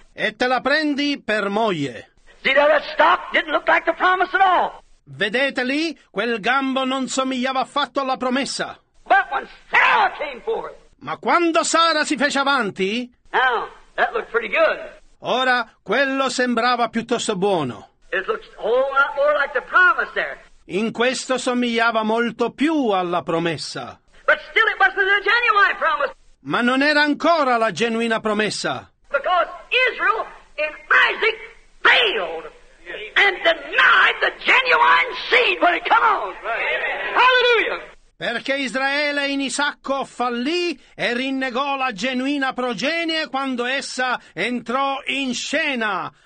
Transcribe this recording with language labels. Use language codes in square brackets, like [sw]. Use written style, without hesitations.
[it] e te la prendi per moglie. [en] See there, that stop didn't look like the promise at all. [it] Vedete lì? Quel gambo non somigliava affatto alla promessa. [en] But when Sarah came forward. [it] Ma quando Sara si fece avanti? [en] Now, that looked pretty good. [it] Ora, quello sembrava piuttosto buono. [en] It looks a whole lot more like the promise there. [it] In questo somigliava molto più alla promessa. [en] But still it wasn't a genuine promise. [it] Ma non era ancora la genuina promessa. [en] Because Israel and Isaac failed. And denied the genuine seed when it came out. Hallelujah! [it] Perché Israele in Isacco fallì e rinnegò la genuina progenie quando essa entrò in scena.